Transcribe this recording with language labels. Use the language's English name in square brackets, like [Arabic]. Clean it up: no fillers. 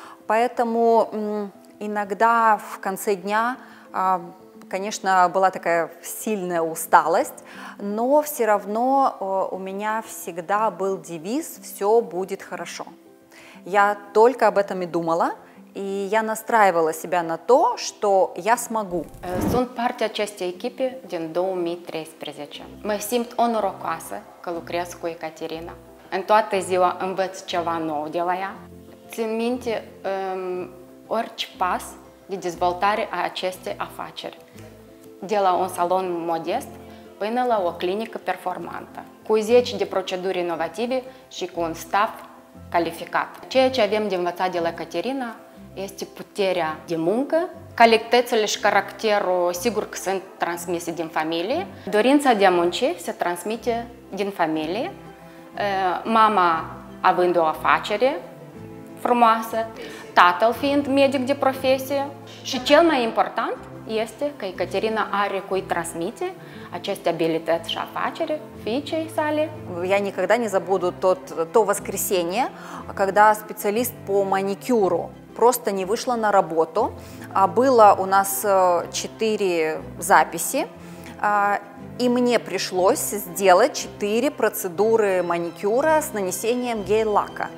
[Russian] Поэтому иногда в конце дня, конечно, была такая сильная усталость, но все равно у меня всегда был девиз «все будет хорошо». Я только об этом и думала. И я настраивала себя на то, что я смогу. [Romanian] Sunt partea acestei echipe din 2013. Mă simt onorocoasă că lucrez cu Ecaterina. În toată ziua învăț ceva nou de la ea. Țin minte orice pas de dezvoltare a acestei afaceri. De la un salon modest până la o clinică performantă. Cu 10 de proceduri inovative și cu un staff calificat. Ceea ce avem de învățat de la Ecaterina este puterea de muncă, calitățile și caracterul sigur că sunt transmise din familie. Dorința de a munci se transmite din familie. Mama având o afacere frumoasă, tatăl fiind medic de profesie. Și cel mai important este că Ecaterina are cui transmite aceste abilități și afacere fiicei sale. [Russian] Я никогда не забуду то воскресенье, когда специалист по маникюру просто не вышла на работу, а было у нас 4 записи, И мне пришлось сделать 4 процедуры маникюра с нанесением гель-лака.